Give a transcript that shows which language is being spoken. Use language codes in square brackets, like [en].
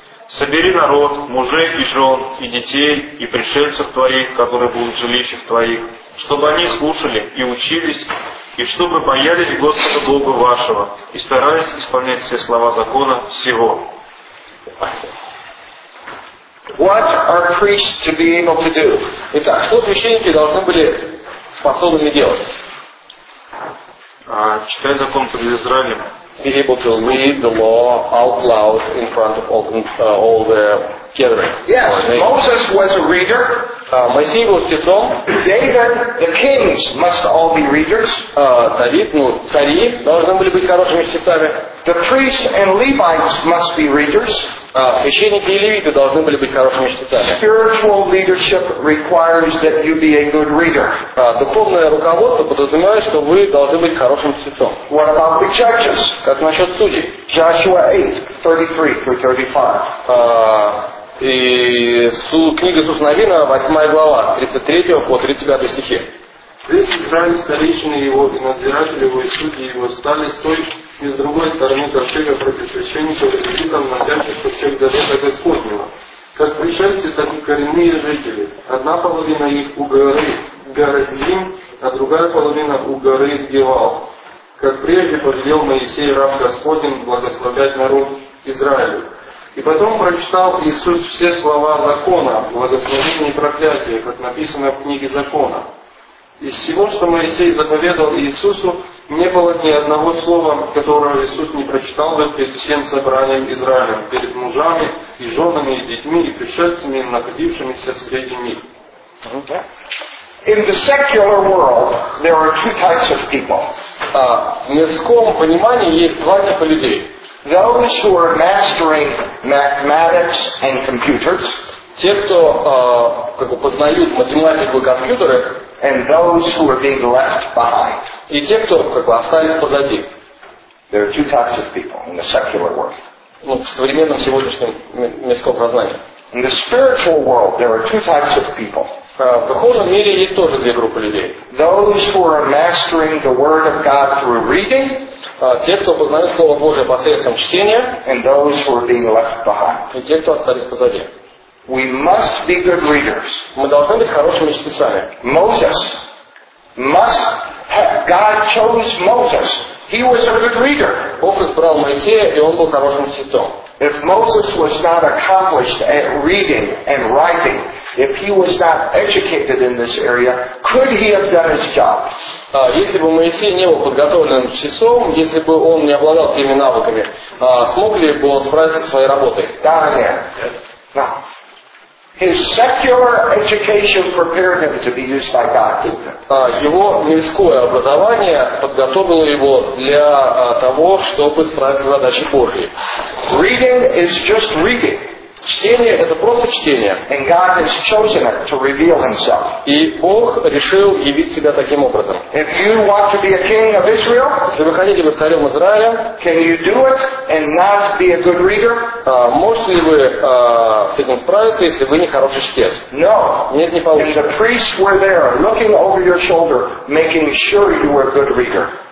[ru] Собери народ, мужей и жен, и детей, и пришельцев твоих, которые будут в жилищах твоих, чтобы они слушали и учились, и чтобы боялись Господа Бога вашего, и старались исполнять все слова закона всего». [en] What are priests to be able to do? [ru] Итак, что священники должны были способны делать? Читай закон перед Израилем. [en] Be able to read the law out loud in front of all the gathering. Yes, Moses was a reader. [ru] Моисей был читателем. [en] David, the kings must all be readers. [ru] Давид, ну, цари должны были быть хорошими читателями. [en] The priests and Levites must be readers. [ru] Священники и левиты должны были быть хорошими читателями. [en] Spiritual leadership requires that you be a good reader. [ru] Духовное руководство подразумевает, что вы должны быть хорошим читателем. [en] What about the judges? [ru] Как насчет судей? [en] Joshua 8, 33-35. [ru] Книга Сусновина, 8 глава, 33 по 35 стихи. Весь Израиль, старейшины его, и надзиратели его, и судьи его стали с той и с другой стороны ковчега против священников, и там носящих ковчег завета Господнего. Как пришельцы, так и коренные жители. Одна половина их у горы Горазим, а другая половина у горы Гевал. Как прежде повелел Моисей, раб Господень, благословлять народ Израилю. И потом прочитал Иисус все слова закона, благословение и проклятие, как написано в книге закона. Из всего, что Моисей заповедал Иисусу, не было ни одного слова, которого Иисус не прочитал бы перед всем собранием Израиля, перед мужами и женами, и детьми, и пришельцами, находившимися среди них. [en] In the secular world, there are two types of people. [ru] В мирском понимании есть два типа людей. [en] Those who are mastering mathematics and computers. [ru] Те, кто познают математику и компьютеры. [en] And those who are being left behind. [ru] И те, кто остались позади. [en] There are two types of people in the secular world. [ru] Ну, в современном сегодняшнем мирском сознании. [en] In the spiritual world, there are two types of people. [ru] В духовном мире есть тоже две группы людей. [en] Those who are mastering the word of God through reading. [ru] Те, кто познают Слово Божие посредством чтения. [en] And those who are being left behind. [ru] И те, кто остались позади. [en] We must be good readers. [ru] Мы должны быть хорошими читателями. [en] Moses must have God chose Moses. He was a good reader. [ru] Бог избрал Моисея, и он был хорошим читателем. [en] If Moses was not accomplished at reading and writing, if he was not educated in this area, could he have done his job? [ru] Если бы Моисей не был подготовлен часом, если бы он не обладал теми навыками, смог ли бы он справиться со своей работой? Да, нет. [en] Now, his secular education prepared him to be used by God, didn't it? [ru] Его мирское образование подготовило его для того, чтобы справиться с задачей Божьей. [en] Reading is just reading. [ru] Чтение — это просто чтение. [en] And God has chosen it to reveal himself. [ru] И Бог решил явить себя таким образом. [en] If you want to be a king of Israel, [ru] если вы хотите быть царем Израиля, [en] can you do it and not be a good reader? [ru] Можете ли вы с этим справиться, если вы не хороший чтец? No. Нет, не получится. [en] And the priests were there, looking over your shoulder, making sure you were a good reader.